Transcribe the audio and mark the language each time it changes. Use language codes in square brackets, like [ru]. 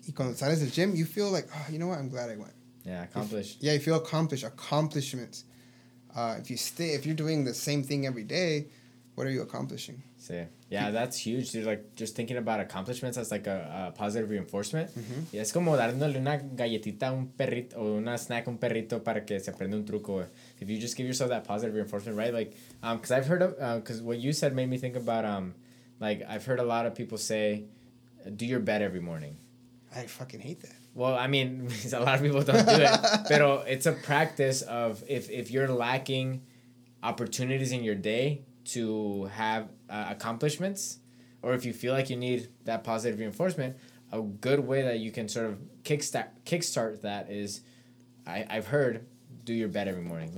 [es] Y cuando sales del gym, [en] you feel like, oh, you know what? I'm glad I went. Yeah, accomplished. You feel accomplished. Accomplishments. If you're doing the same thing every day, what are you accomplishing? See, yeah, that's huge, dude. Like, just thinking about accomplishments as like a positive reinforcement. Mm-hmm. [es] Es como dándole una galletita a un perrito o una snack a un perrito para que se aprenda un truco. [en] If you just give yourself that positive reinforcement, right? Like, because I've heard of, because what you said made me think about, like, I've heard a lot of people say, do your bed every morning. I fucking hate that. Well, I mean, a lot of people don't do it. Pero it's a practice of if you're lacking opportunities in your day to have accomplishments, or if you feel like you need that positive reinforcement, a good way that you can sort of kickstart that is, I've heard, do your bed every morning.